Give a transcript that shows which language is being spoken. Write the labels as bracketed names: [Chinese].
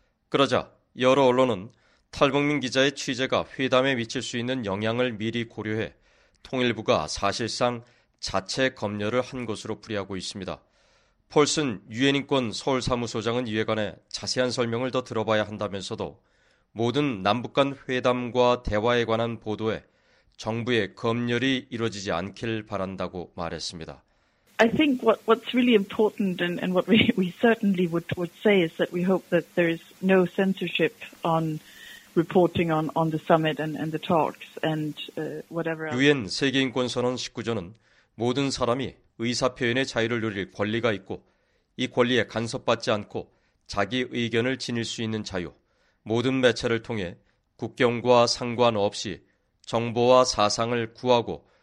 [Korean] 그러자 여러 언론은 탈북민 기자의 취재가 회담에 미칠 수 있는 영향을 미리 고려해 통일부가 사실상 자체 검열을 한 것으로 풀이하고 있습니다. 폴슨 유엔인권 서울사무소장은 이에 관해 자세한 설명을 더 들어봐야 한다면서도 모든 남북 간 회담과 대화에 관한 보도에 정부의 검열이 이루어지지 않길 바란다고 말했습니다. [English] I think what's really important and what we certainly would say is that we hope that there is no censorship on reporting on the summit and the talks and whatever else. [Korean] 유엔 세계인권선언 19조는 모든 사람이 의사표현의 자유를 누릴 권리가 있고 이 권리에 간섭받지 않고 자기 의견을 지닐 수 있는 자유, 모든 매체를 통해 국경과 상관없이 정보와 사상을 구하고